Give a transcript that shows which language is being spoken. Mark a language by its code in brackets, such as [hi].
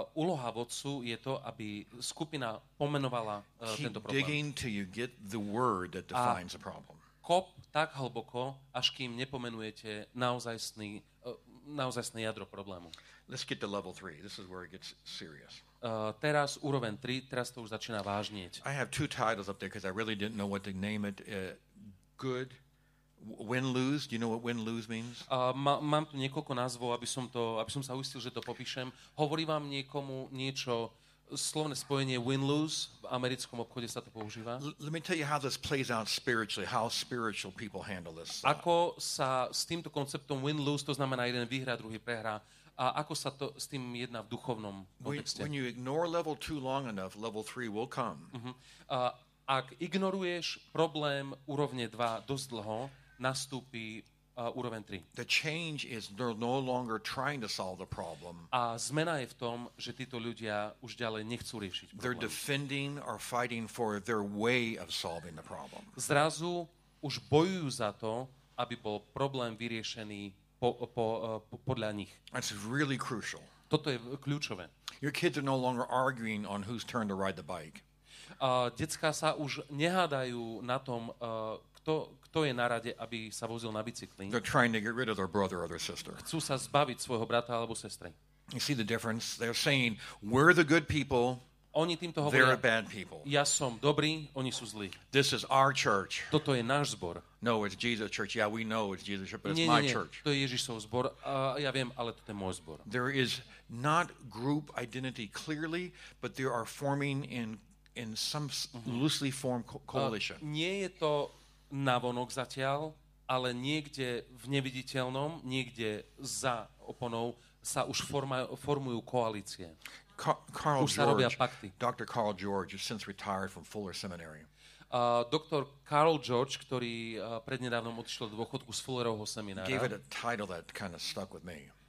[sk] úloha vodcu je to, aby skupina pomenovala tento problém. [en] Digging till you get the word that defines a problem. [sk] Kop tak hlboko, až kým nepomenujete naozajstné jadro problému. [en] Let's get to level 3. This is where it gets serious. [sk] Teraz úroveň 3, teraz to už začína vážnieť. [en] I have two titles up there because I really didn't know what to name it. Good win lose, do you know what win lose means? [sk] Mám tu niekoľko názvov, aby som sa uistil, že to popíšem. Hovorí vám niekomu niečo slovné spojenie win lose? V americkom obchode sa to používa. [en] Let me tell you how this plays out spiritually, how spiritual people handle this. [sk] Ako sa s týmto konceptom win lose, to znamená jeden výhra, druhý prehra, a ako sa to s tým jedná v duchovnom kontexte? [en] When you ignore level 2 long enough, level 3 will come. [sk] Ak ignoruješ problém úrovne 2 dosť dlho, nastúpi úroveň 3. [en] The change is they're no longer trying to solve the problem. [sk] A zmena je v tom, že títo ľudia už ďalej nechcú riešiť problém. [en] They're defending or fighting for their way of solving the problem. [sk] Zrazu už bojujú za to, aby bol problém vyriešený podľa nich. [en] It's really crucial. [sk] Toto je kľúčové. [en] Your kids are no longer arguing on whose turn to ride the bike. [sk] Decká sa už nehádajú na tom, kto je na rade, aby sa vozil na bicykli. [en] They're trying to get rid of their brother or their sister. [sk] Chcú sa zbaviť svojho brata alebo sestry. [en] You see the difference? They're saying, we're the good people. [sk] Oni týmto hovoria, [en] they're bad people. [sk] Ja som dobrý, oni sú zlí. [en] This is our church. [sk] Toto je náš zbor. [en] No, it's Jesus' church. Yeah, we know it's Jesus' church, but it's [sk] nie, [en] my church. [sk] To je Ježišov zbor. Ja viem, ale toto je môj zbor. [en] There is not group identity clearly, but there are forming in some loosely formed coalition. [sk] Nie je to navonok zatiaľ, ale niekde v neviditeľnom, niekde za oponou sa už formujú koalície. [en] Carl [sk] už sa [en] George, [sk] robia pakty. [en] Dr. Carl George has since retired from Fuller Seminary. Dr. [sk] Carl George, ktorý prednedávnom odišiel do dôchodku z Fullerovho seminára. [en] Gave it a title that kind of stuck with me.